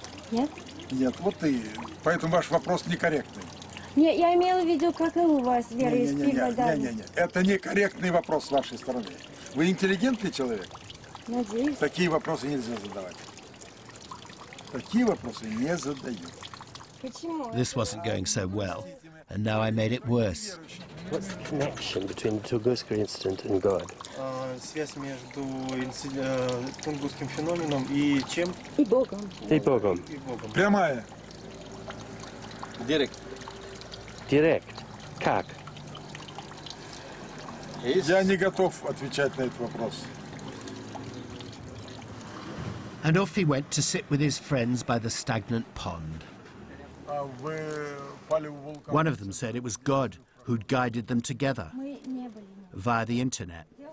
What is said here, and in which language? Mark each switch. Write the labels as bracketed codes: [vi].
[ru] Нет? Нет, вот и поэтому ваш вопрос некорректный. Нет, я имела в виду, как и у вас верующие. Не-не-не, это некорректный вопрос с вашей стороны. Вы интеллигентный человек? Надеюсь. Такие вопросы нельзя задавать. [en] This wasn't going so well, and now I made it worse. What's the connection between the Tunguska incident and God? [ru] Связь между Тунгусским феноменом и чем? И Богом. И Богом. Прямая. [en] Direct. Direct. [ru] Как? Я не готов отвечать на этот вопрос. [en] And off he went to sit with his friends by the stagnant pond. One of them said it was God who'd guided them together via the internet.